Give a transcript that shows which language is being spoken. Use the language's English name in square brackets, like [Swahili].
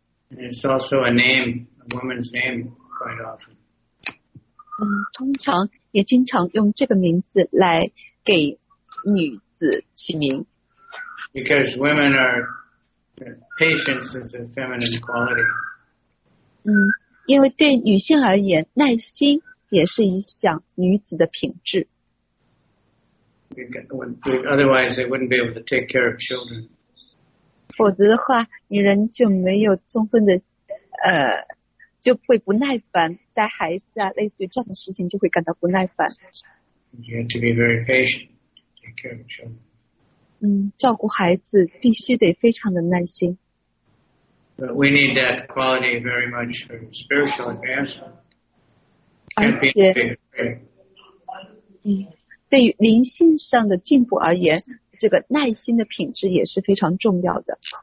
[English] It's also a name, a woman's name, quite often. [Chinese] 通常也经常用这个名字来给女子起名。 [English] Because women are patience is a feminine quality. [Chinese] 因为对女性而言，耐心也是一项女子的品质。 [English] Otherwise, they wouldn't be able to take care of children. [Chinese] 否则的话，女人就没有充分的，就会不耐烦，在孩子啊，类似于这样的事情就会感到不耐烦。 [English] You have to be very patient, take care of children. [Chinese] 照顾孩子必须得非常的耐心。 [English] But we need that quality very much for spiritual advancement. [Chinese] 对于灵性上的进步而言，这个耐心的品质也是非常重要的。